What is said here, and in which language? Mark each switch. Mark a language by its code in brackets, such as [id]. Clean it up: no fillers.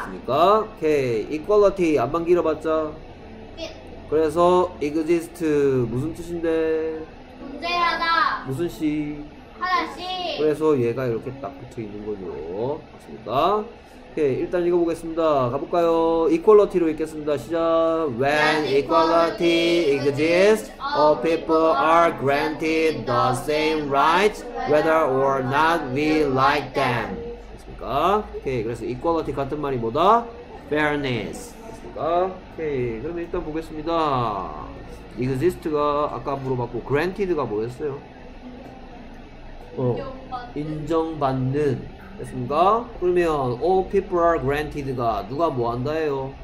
[ko] 있습니까? 오케이. equality 앞만 길어봤자 그래서 exist 무슨 뜻인데? 존재하다. 무슨 시? 하나씩. 그래서 얘가 이렇게 딱 붙어 있는 거죠. 맞습니다. 오케이, 일단 읽어보겠습니다. 가볼까요? Equality로 읽겠습니다. 시작. [en] When equality exists, all people are granted the same rights, whether or not we like them. [ko] 맞습니까? 오케이, 그래서 equality 같은 말이 뭐다? Fairness. 맞습니까? 오케이, 그러면 일단 보겠습니다. exist가 아까 물어봤고 granted가 뭐였어요? 인정받는 했습니까? 그러면 [en] all people are granted [ko] 가 누가 뭐 한다예요?